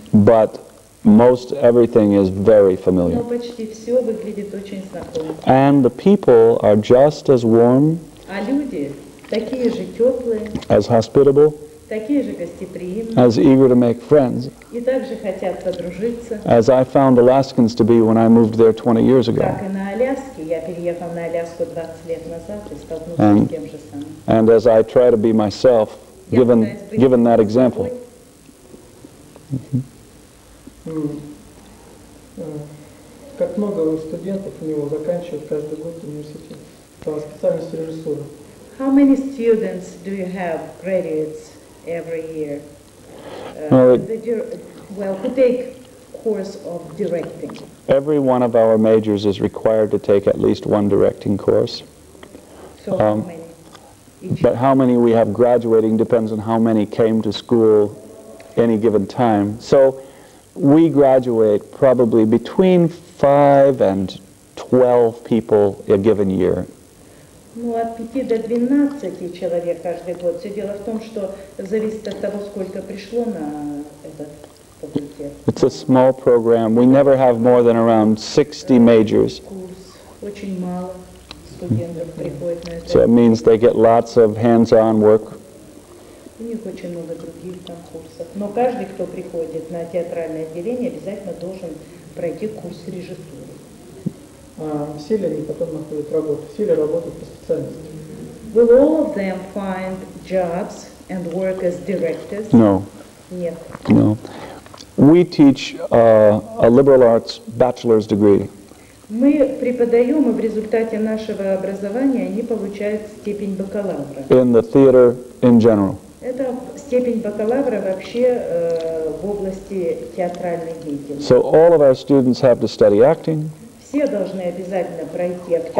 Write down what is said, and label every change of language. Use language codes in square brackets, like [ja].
[en] But most everything is very familiar. [ru] Но почти все выглядит очень знакомо. [en] And the people are just as warm. [ru] А люди такие же теплые. [en] As hospitable. [ru] Такие же гостеприимные. [en] As eager to make friends. [ru] И также хотят подружиться. [en] As I found Alaskans to be when I moved there 20 years ago. [ru] Как и на Аляске, я переехал на Аляску 20 лет назад и столкнулся с тем же самым. [en] And as I try to be myself, given that example. [ru] Как много студентов у него заканчивают каждый год университет по специальности режиссура. [en] How many students do you have graduates every year? Who take course of directing? Every one of our majors is required to take at least one directing course. So how many? But how many we have graduating depends on how many came to school any given time. So we graduate probably between 5 and 12 people a given year. [ru] Ну, от 5 до 12 человек каждый год. Все дело в том, что зависит от того, сколько пришло на этот факультет. [en] It's a small program. We never have more than around 60 majors. [ru] Курс очень мало. Mm-hmm. [en] So it means they get lots of hands-on work. [ru] У них очень много других там курсов. Но каждый, кто приходит на театральное отделение, обязательно должен пройти курс режиссуры. Все ли они потом находят работу? Все ли работают по специальности? [en] Will all of them find jobs and work as directors? No. [ru] Нет. [en] No. We teach a liberal arts bachelor's degree. [ru] Мы преподаем, и в результате нашего образования они получают степень бакалавра. [en] In the theater in general. [ru] Это степень бакалавра вообще в области театральной деятельности. [en] So all of our students have to study acting. [ru] Все должны обязательно пройти актер.